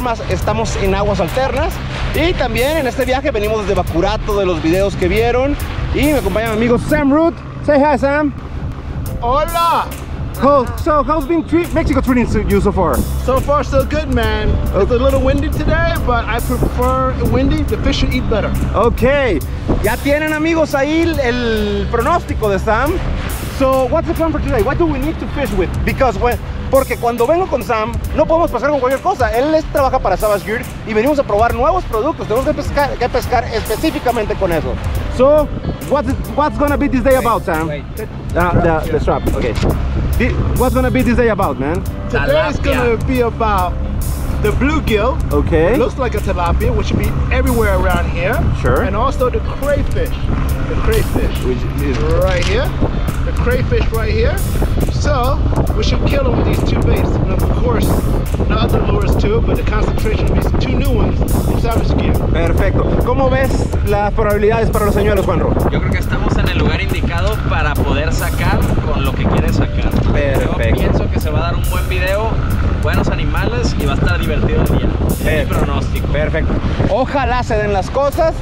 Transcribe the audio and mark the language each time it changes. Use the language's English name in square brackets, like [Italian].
[Spanish] Estamos en aguas alternas. Y también en este viaje venimos desde Bacurato, de los videos que vieron. Y me acompaña mi amigo Sam Root. [English] Say hi, Sam. [Spanish] Hola. [English] So, how's been Mexico treating you so far? So far, so good, man. Okay. It's a little windy today, but I prefer windy. The fish should eat better. Okay. [Spanish] Ya tienen, amigos, ahí el pronóstico de Sam. [English] So, what's the plan for today? What do we need to fish with? Because when... [Spanish] Porque cuando vengo con Sam, no podemos pescar con cualquier cosa. Él trabaja para Savage Gear y venimos a probar nuevos productos. Tenemos que pescar específicamente con eso. [English] So, what's gonna be this day about, Sam? The strap, okay. What's gonna be this day about, man? Today is gonna be about the bluegill. Okay. It looks like a tilapia, which should be everywhere around here. Sure. And also the crayfish. The crayfish. Which is right here. The crayfish right here. So, we should kill them with these two baits. And of course, the other lures too, but the concentration of these two new ones from Savage Gear. [Spanish] Perfecto. ¿Cómo ves las probabilidades para los señuelos, Juanro? Yo creo que estamos en el lugar indicado para poder sacar con lo que quieres sacar. Perfecto. Yo pienso que se va a dar un buen video, buenos animales y va a estar divertido el día. Es mi pronóstico. Perfecto. Ojalá se den las cosas.